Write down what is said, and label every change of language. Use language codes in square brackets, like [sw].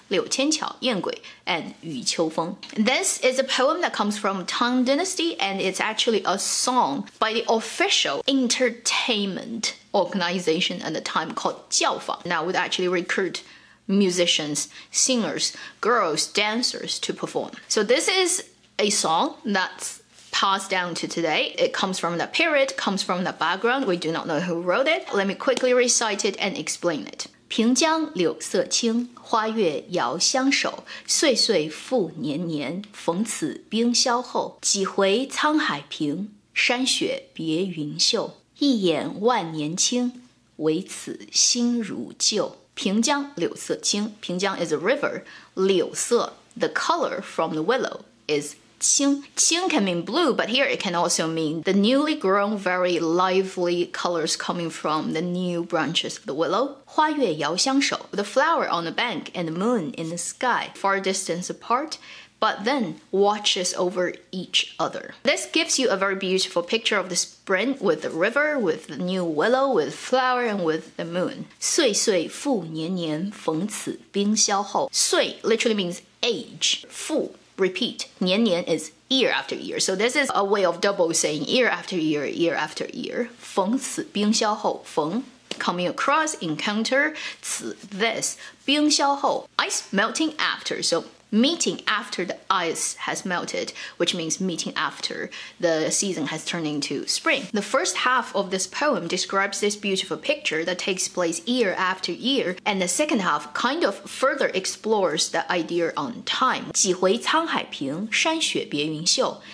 [zh] 柳千巧燕鬼 [en] and [zh] 雨秋风 [en] This is a poem that comes from Tang Dynasty, and it's actually a song by the official entertainment organization at the time called 教坊 Now would actually recruit musicians, singers, girls, dancers to perform. So this is a song that's passed down to today. It comes from that period, comes from that background. We do not know who wrote it. Let me quickly recite it and explain it. [zh] 平江柳色青，花月遥相守，岁岁复年年，逢此冰消后，几回沧海平，山雪别云秀，一眼万年青，唯此心如旧。平江柳色青， [en] 平江 is a river, 柳色 the color from the willow is Qing can mean blue, but here it can also mean the newly grown, very lively colors coming from the new branches of the willow. [zh] 花月遥相守 [en] The flower on the bank and the moon in the sky, far distance apart, but then watches over each other. This gives you a very beautiful picture of the spring with the river, with the new willow, with flower, and with the moon. [zh] 岁岁复年年，逢此冰消后 [en] 岁 literally means age. 复 repeat, 年年 is year after year. So this is a way of double saying year after year, year after year. [zh] 逢此冰消后 [en] 逢 coming across, encounter, 此 this, 冰消后 ice melting after. So meeting after the ice has melted, which means meeting after the season has turned into spring. The first half of this poem describes this beautiful picture that takes place year after year, and the second half kind of further explores the idea on time. [zh] 几回沧海平，山雪别云秀。